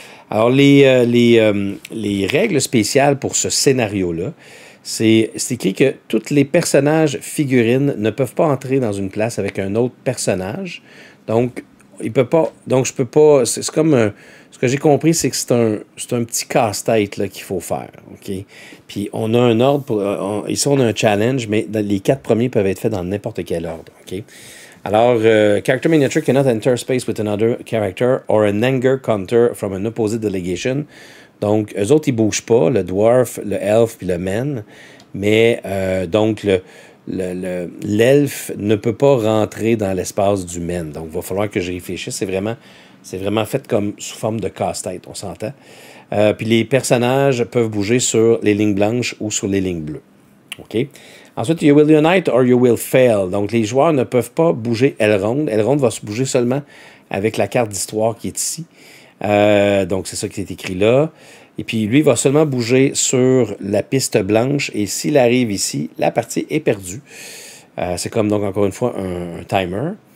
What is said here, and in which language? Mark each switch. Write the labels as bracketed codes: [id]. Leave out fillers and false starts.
[fr] Alors, les règles spéciales pour ce scénario-là, c'est écrit que tous les personnages figurines ne peuvent pas entrer dans une place avec un autre personnage. Donc, il peut pas. Donc, je peux pas. C'est comme un. Ce que j'ai compris, c'est que c'est un petit casse-tête là, qu'il faut faire. Okay? Puis on a un ordre pour. Ici, on a un challenge, mais les quatre premiers peuvent être faits dans n'importe quel ordre. Okay? [en] Alors, character miniature cannot enter space with another character or an anger counter from an opposite delegation. [fr] Donc, eux autres, ils bougent pas, le dwarf, le elf puis le man. Mais donc, l'elfe ne peut pas rentrer dans l'espace du man. Donc, il va falloir que je réfléchisse. C'est vraiment fait comme sous forme de casse-tête, on s'entend. Puis les personnages peuvent bouger sur les lignes blanches ou sur les lignes bleues. OK? [en] Ensuite, you will unite or you will fail. [fr] Donc, les joueurs ne peuvent pas bouger Elrond. Elrond va se bouger seulement avec la carte d'histoire qui est ici. Donc, c'est ça qui est écrit là. Et puis, lui va seulement bouger sur la piste blanche. Et s'il arrive ici, la partie est perdue. C'est comme, donc, encore une fois, un timer.